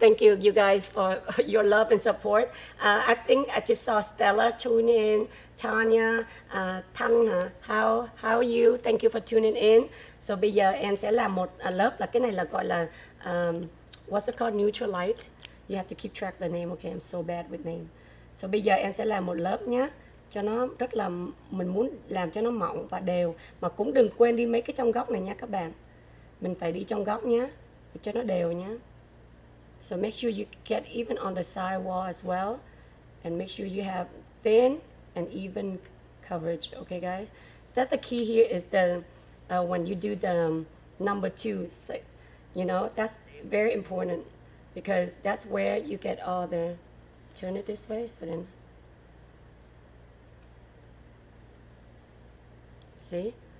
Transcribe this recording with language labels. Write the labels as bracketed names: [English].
[English] Thank you, you guys, for your love and support. I think I just saw Stella tune in. Tanya, Tang, how are you? Thank you for tuning in. [Vietnamese] So bây giờ em sẽ làm một lớp, là cái này là gọi là, [English] what's it called, [Vietnamese] Neutralite? [English] You have to keep track of the name, okay? I'm so bad with name. [Vietnamese] So bây giờ em sẽ làm một lớp nhé, cho nó rất là, mình muốn làm cho nó mỏng và đều, mà cũng đừng quên đi mấy cái trong góc này nha các bạn. Mình phải đi trong góc nhé, để cho nó đều nhé. [English] So make sure you get even on the side wall as well, and make sure you have thin and even coverage, okay guys? That's the key here is the, when you do the number two, you know, that's very important, because that's where you get all the, turn it this way, so then, see?